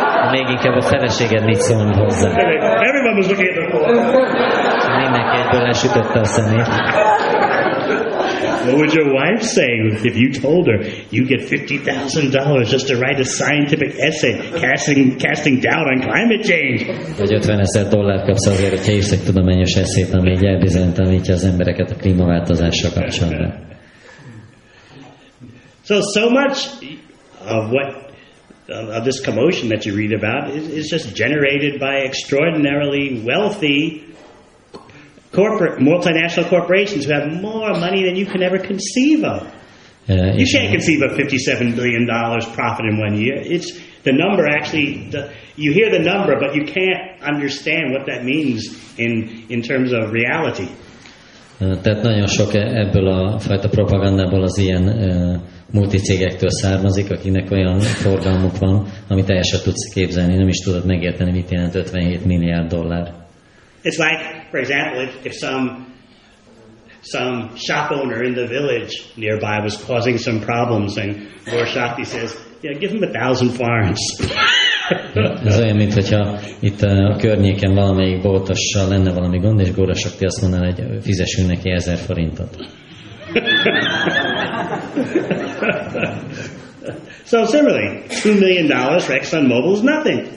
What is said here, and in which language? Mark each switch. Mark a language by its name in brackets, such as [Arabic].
[Hungarian] Még inkább a feleséged mit szólna hozzá. [English] Everyone was looking at the floor. [Hungarian] Mindenki egyből lesütötte a szemét. [English] What would your wife say if you told her you get $50,000 just to write a scientific essay casting doubt on climate change? [Hungarian] Vagy $50,000 kapsz azért, hogy hívsz egy tudományos eszét, ami így elbizonyítja az embereket a klímaváltozással kapcsolatban. [English] So much of what of this commotion that you read about is just generated by extraordinarily wealthy corporate multinational corporations who have more money than you can ever conceive of. You can't conceive of $57 billion profit in one year. It's the number actually. You hear the number, but you can't understand what that means in terms of reality. [Hungarian] Tehát nagyon sok ebből a fajta propagandából az ilyen multicégektől származik, akinek olyan forgalmuk van, amit el sem tudsz képzelni, nem is tudod megérteni, mit jelent $57 milliárd. [English] It's like, for example, if some shop owner in the village nearby was causing some problems, and Lord Shakti says, "Yeah, give him 1,000 florins." [Hungarian] Ez olyan, mint hogyha itt a környéken valamelyik boltossal lenne valami gond, és Góra Sakti azt mondaná, hogy fizessünk neki 1,000 forintot. [English] So similarly, $2 million for ExxonMobil is nothing.